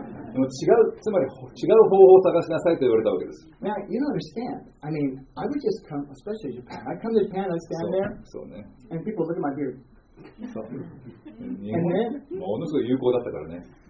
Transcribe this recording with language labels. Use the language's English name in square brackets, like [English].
[Japanese] でも違う、つまり違う方法を探しなさいと言われたわけです。 [English] Now, you don't understand. I mean, I would just come, especially Japan. I come to Japan, I stand there, [Japanese] そうね。 [English] And people look at my beard. [Japanese] そう。 [English] And then, [Japanese] ものすごい有効だったからね。